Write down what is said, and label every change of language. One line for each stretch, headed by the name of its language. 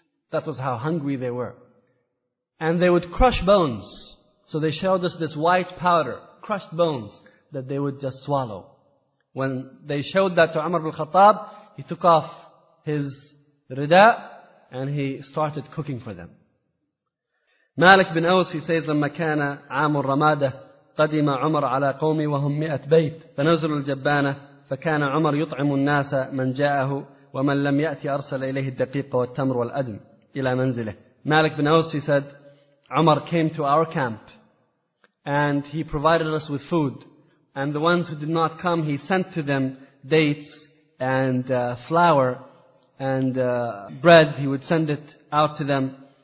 English: That was how hungry they were. And they would crush bones. So they showed us this white powder, crushed bones, that they would just swallow. When they showed that to Umar al-Khattab, he took off his rida and he started cooking for them. Malik bin Aus, he says,
Arabic: "لما كان عام الرمادة قدم عمر على قومي وهم مئة بيت فنزلوا الجبانة فكان عمر يطعم الناس من جاءه ومن لم يأتي أرسل إليه الدقيق والتمر والأدم إلى منزله."
English: Malik bin Aus, he said, "Umar came to our camp and he provided us with food. And the ones who did not come, he sent to them dates and flour and bread. He would send it out to them.